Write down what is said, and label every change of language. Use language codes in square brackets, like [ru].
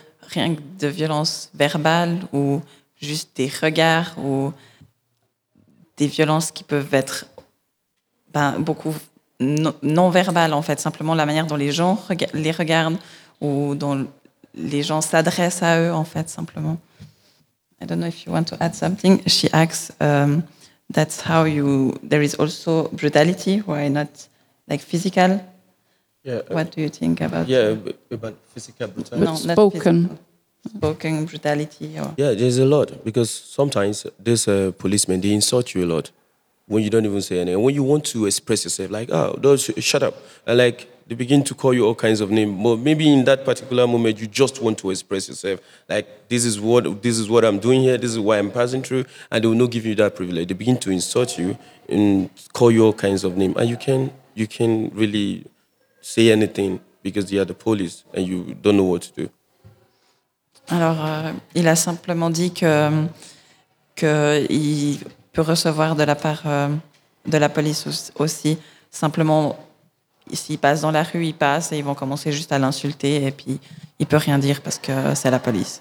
[fr] rien que de violence verbale ou juste des regards ou des violences qui peuvent être beaucoup non verbales, en fait, simplement la manière dont les gens les regardent ou dont les gens s'adressent à eux, en fait, simplement. [en] I don't know if you want to add something. She asks, that's how you... There is also brutality, why not like physical? Yeah, what do you think about... Yeah, about physical brutality. No, not spoken. Spoken brutality. Or... Yeah, there's a lot. Because sometimes there's a policeman, they insult you a lot when you don't even say anything. When you want to express yourself, like, oh, don't shut up. And like, they begin to call you all kinds of names. But maybe in that particular moment, you just want to express yourself. Like, this is what I'm doing here. This is why I'm passing through. And they will not give you that privilege. They begin to insult you and call you all kinds of names. And you can really... say anything because you are the police and you don't know what to do. [fr] Alors, il a simplement dit qu'il peut recevoir de la part de la police aussi. Simplement, s'il passe dans la rue, il passe et ils vont commencer juste à l'insulter et puis il peut rien dire parce que c'est la police.